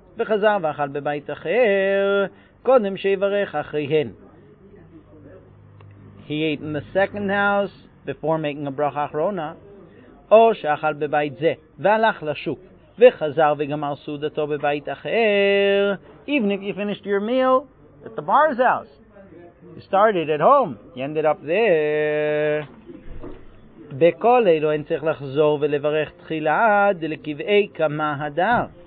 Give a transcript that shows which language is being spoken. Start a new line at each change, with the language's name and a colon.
Hebrew: וחזר ואכל בבית אחר קודם שיברך אחריהן.
English: He ate in the second house before making a bracha אחרונה,
Hebrew: או שאכל בבית זה והלך לשוק וחזר וגמר סעודתו בבית אחר.
English: Even if you finished your meal at the bar's house, you started at home, you ended up there.
Hebrew: בכל אלו אין צריך לחזור ולברך תחילה דלקבעי כמה הדר.